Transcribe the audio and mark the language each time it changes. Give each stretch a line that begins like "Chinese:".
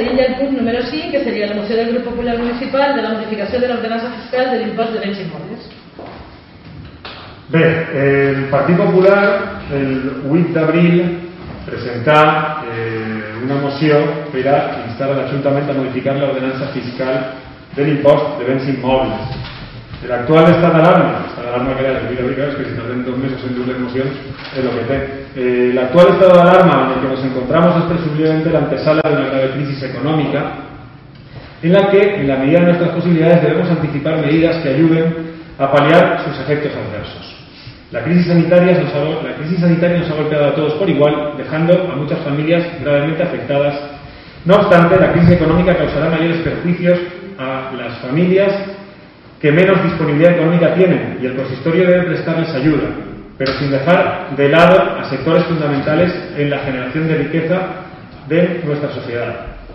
Spanish: ya el punto número 5, que sería el Museo del Grupo Popular Municipal de la modificación de la ordenanza fiscal del impuesto de bienes inmuebles.
Catalan: Bé, el Partit Popular el 8 d'abril presentà una moció per a instar a l'Ajuntament a modificar l'ordenança fiscal de l'impost de béns immobles. L'actual estat d'alarma, estat d'alarma que era el 8 d'abril, que si tardem dos mesos en dur les mocions, és el que té. L'actual estat d'alarma en el que ens trobem és presumiblement l'antesala d'una grave crisi econòmica en la que, en la medida de les nostres possibilitats, devem anticipar mesures que ajuden a paliar
Spanish: sus efectos adversos. La crisis sanitaria nos ha golpeado a todos por igual, dejando a muchas familias gravemente afectadas. No obstante, la crisis económica causará mayores perjuicios a las familias que menos disponibilidad económica tienen, y el consistorio debe prestarles ayuda, pero sin dejar de lado a sectores fundamentales en la generación de riqueza de nuestra sociedad.